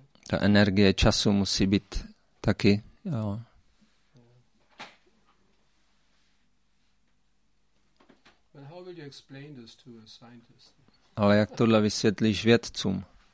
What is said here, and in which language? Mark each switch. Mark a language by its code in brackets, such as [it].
[cs] Ta energie času musí být taky, jo. [en] But how will you explain this to a scientist? [cs] Ale jak tohle vysvětlíš vědcům?